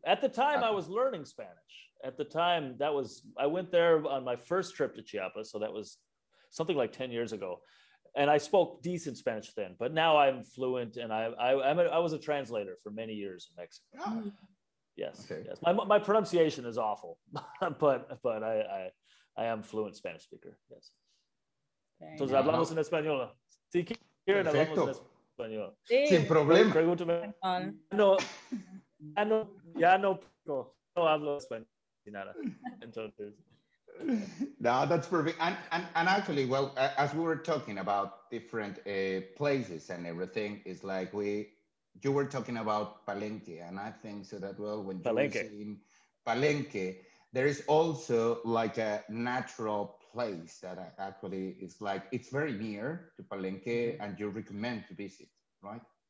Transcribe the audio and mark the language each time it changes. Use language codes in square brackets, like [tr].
[en] At the time, I was learning Spanish. At the time, I went there on my first trip to Chiapas, so that was something like 10 years ago, and I spoke decent Spanish then. But now I'm fluent, and I was a translator for many years in Mexico. Oh. Yes, okay. Yes. My pronunciation is awful, but I am fluent Spanish speaker. Yes. [es] Entonces hablamos en español. Si quieren hablamos en español. Sí. Sin problema. Pregúntame. No. Ya no hablo español, nada. Entonces. [en] No, that's perfect. And actually, well, as we were talking about different places and everything, it's like you were talking about Palenque, and I think so that, well, when Palenque. You were saying Palenque, there is also like a natural place that actually is like, it's very near to Palenque and you recommend to visit, right?